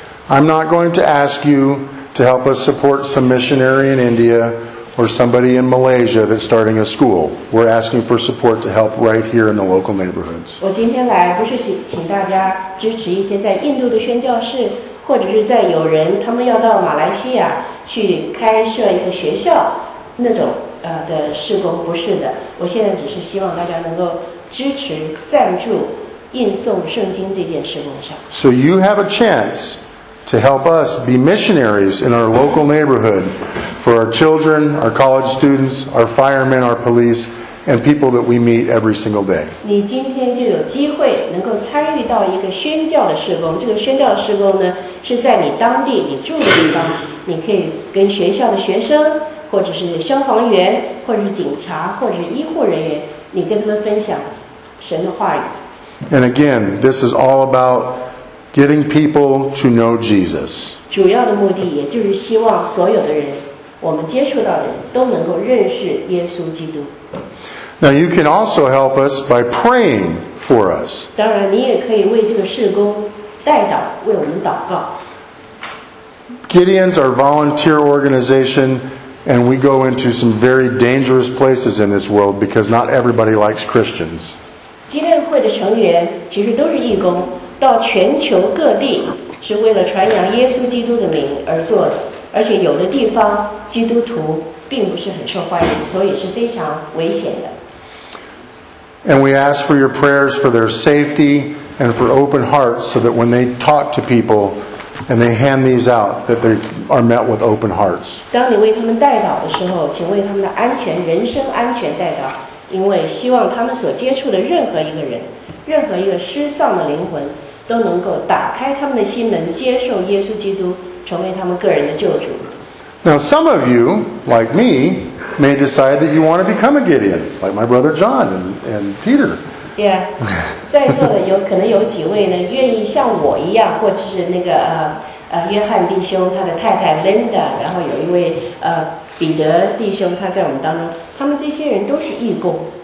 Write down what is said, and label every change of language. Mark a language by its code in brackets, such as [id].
[en] I'm not going to ask you to help us support some missionary in India or somebody in Malaysia that's starting a school. We're asking for support to help right here in the local neighborhoods. [zh] 我今天来不是请大家支持一些在印度的宣教士，或者是在有人他们要到马来西亚去开设一个学校那种的事工，不是的。我现在只是希望大家能够支持赞助印送圣经这件事工上。 [en] So you have a chance. To help us be missionaries in our local neighborhood for our children, our college students, our firemen, our police, and people that we meet every single day. [zh] 你今天就有机会能够参与到一个宣教的事工。这个宣教的事工呢，是在你当地你住的地方，你可以跟学校的学生，或者是消防员，或者是警察，或者是医护人员，你跟他们分享神的话语。 [en] And again, this is all about. Getting people to know Jesus. [zh] 主要的目的也就是希望所有的人，我们接触到的人都能够认识耶稣基督。 [en] Now you can also help us by praying for us. [zh] 当然，你也可以为这个事工代祷，为我们祷告。 [en] Gideon's our volunteer organization, and we go into some very dangerous places in this world because not everybody likes Christians. [zh] 基甸会的成员其实都是义工。到全球各地是为了传扬耶稣基督的名而做的，而且有的地方基督徒并不是很受欢迎，所以是非常危险的。 [en] And we ask for your prayers for their safety and for open hearts, so that when they talk to people and they hand these out, that they are met with open hearts. [zh] 当你为他们代祷的时候，请为他们的安全、人身安全代祷，因为希望他们所接触的任何一个人。任何一个失丧的灵魂都能够打开他们的心门，接受耶稣基督成为他们个人的救主。 [en] Now some of you, like me, may decide that you want to become a Gideon, like my brother John and Peter. [zh] Yeah, 在座的有可能有几位呢，愿意像我一样，或者是那个约翰弟兄他的太太 Linda， 然后有一位彼得弟兄他在我们当中，他们这些人都是义工。